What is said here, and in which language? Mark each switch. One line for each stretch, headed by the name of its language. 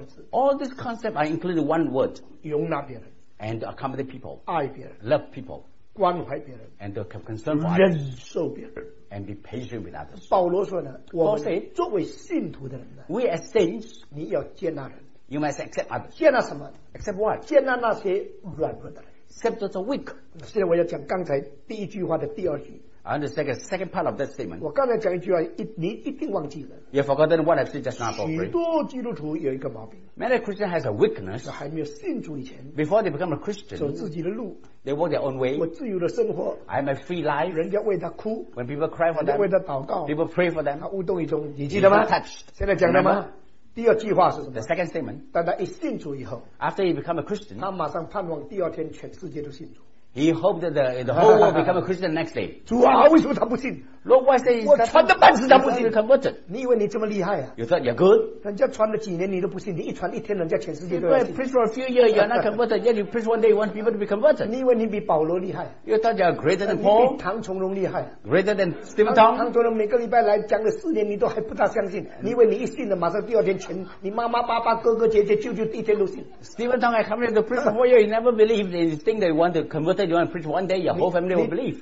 English: All these concepts are included in one word. And to accommodate people. Love people. And to have concern for others. And be patient with others.
Chinese: 保罗说呢，我们作为信徒的人呢，
English: we as saints,
Chinese: 你要接纳人，
English: you must accept others.
Chinese: 接纳什么？
English: Accept what?
Chinese: 接纳那些软弱的人。
English: Accept those weak.
Chinese: 现在我要讲刚才第一句话的第二句。
English: I understand the second part of that statement.
Chinese: 我刚才讲一句话，你一定忘记了。
English: You've forgotten what I said just now.
Chinese: 许多基督徒有一个毛病。
English: Many Christians has a weakness.
Chinese: 还没有信主以前，
English: before they become a Christian,
Chinese: 走自己的路，
English: they walk their own way.
Chinese: 我自由的生活，
English: I'm a free life.
Chinese: 人家为他哭，
English: when people cry for them,
Chinese: 为他祷告，
English: people pray for them.
Chinese: 他无动于衷，你记得吗？
English: Touched.
Chinese: 现在讲的吗？第二句话是什么？
English: The second statement.
Chinese: 但他一信主以后，
English: after he become a Christian,
Chinese: 他马上盼望第二天全世界都信主。
English: He hoped that the whole world become a Christian the next day.
Chinese: 主啊，为什么他不信？
English: Lord, why say he's not converted?
Chinese: 你以为你这么厉害啊？
English: You thought you're good?
Chinese: 人家传了几年你都不信，你一传一天人家全世界都要信。
English: You preach for a few years, you're not converted. Yet you preach one day, you want people to be converted.
Chinese: 你以为你比保罗厉害？
English: You thought you're greater than Paul?
Chinese: 你比唐崇荣厉害？
English: Greater than Stephen Tong?
Chinese: 唐崇荣每个礼拜来讲了四年，你都还不大相信。你以为你一信了，马上第二天全你妈妈、爸爸、哥哥、姐姐、舅舅、弟弟都信。
English: Stephen Tong, I come here to preach for 4 years, you never believe. You think that you want to convert, you want to preach one day, your whole family will believe.